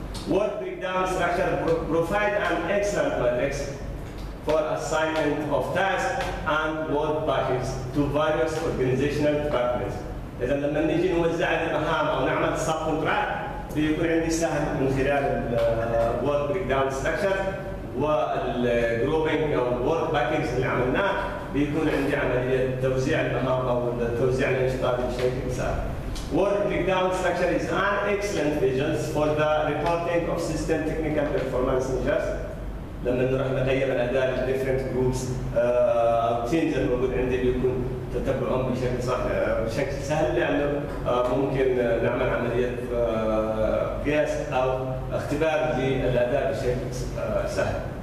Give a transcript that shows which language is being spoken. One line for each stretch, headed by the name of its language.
English: Work breakdown structure provides an excellent matrix for assignment of tasks and work packages to various organizational departments.
Arabic: إذا لما نجي نوزع المهام أو نعمل sub contract بيكون عندي سهل من خلال ال work breakdown structure وال grouping أو work packages اللي عملناه بيكون عندي عملية توزيع المهام أو توزيع الأنشطة بشكل سهل.
English: Work breakdown structure is an excellent vision for the reporting of system technical performance measures.
Arabic: لما نروح نغير الاداء للديفرنت جروبس او تيمز الموجود عندي بيكون تتبعهم بشكل صح بشكل سهل لانه ممكن نعمل عمليه قياس او اختبار للاداء بشكل سهل.